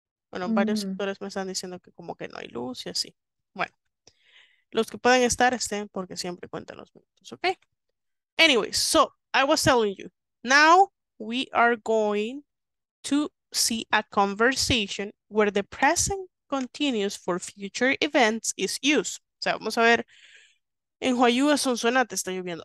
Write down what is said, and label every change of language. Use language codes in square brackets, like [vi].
[es] Bueno, varios sectores me están diciendo que como que no hay luz y así. Bueno, los que puedan estar, estén, porque siempre cuentan los minutos, ok. [en] Anyways, so, I was telling you. Now, we are going to see a conversation where the present continuous for future events is used. [es] O sea, vamos a ver, en Huayúa, Sonsonate, está lloviendo.